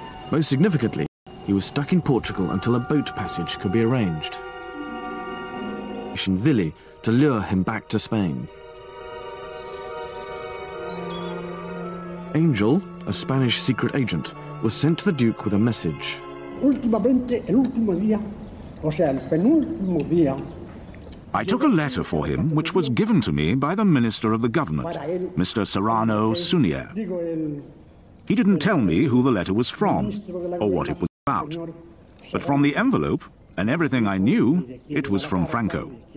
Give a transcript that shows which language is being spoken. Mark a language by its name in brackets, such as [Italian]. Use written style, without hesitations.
[English] Most significantly, he was stuck in Portugal until a boat passage could be arranged. Ville to lure him back to Spain. Angel, a Spanish secret agent, was sent to the Duke with a message. [Spanish] Últimamente, el último día, o sea, el penúltimo día. [English] I took a letter for him, which was given to me by the Minister of the Government, Mr. Serrano Sunier. He didn't tell me who the letter was from, or what it was about. But from the envelope, and everything I knew, it was from Franco.